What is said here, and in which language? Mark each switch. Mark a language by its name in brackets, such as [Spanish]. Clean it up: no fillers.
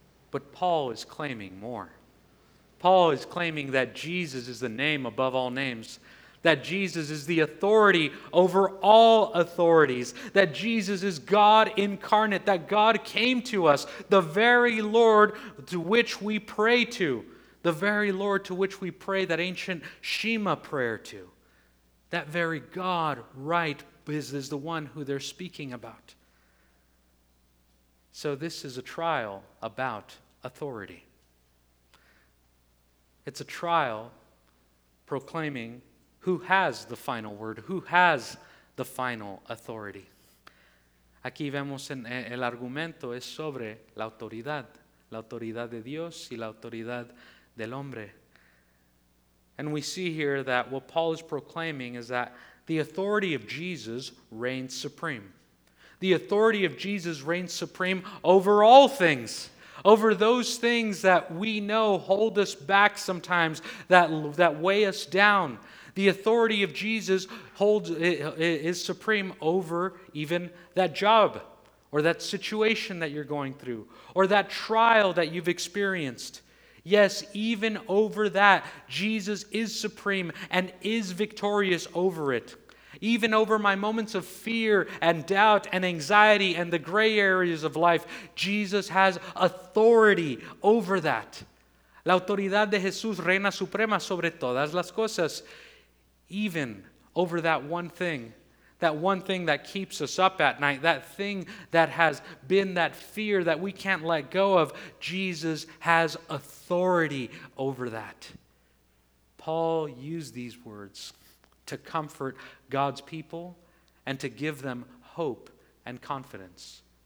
[English] But Paul is claiming more. Paul is claiming that Jesus is the name above all names, that Jesus is the authority over all authorities, that Jesus is God incarnate, that God came to us, the very Lord to which we pray to, the very Lord to which we pray that ancient Shema prayer to, that very God, right, is the one who they're speaking about. So this is a trial about authority. It's a trial proclaiming who has the final word? Who has the final authority? [Spanish] Aquí vemos en el argumento es sobre la autoridad de Dios y la autoridad del hombre. [English] And we see here that what Paul is proclaiming is that the authority of Jesus reigns supreme. The authority of Jesus reigns supreme over all things. Over those things that we know hold us back sometimes, that weigh us down. The authority of Jesus is supreme over even that job or that situation that you're going through or that trial that you've experienced. Yes, even over that, Jesus is supreme and is victorious over it. Even over my moments of fear and doubt and anxiety and the gray areas of life, Jesus has authority over that. [Spanish] La autoridad de Jesús reina suprema sobre todas las cosas. [English] even over that one thing that keeps us up at night, that thing that has been that fear that we can't let go of, Jesus has authority over that. Paul used these words to comfort God's people and to give them hope and confidence.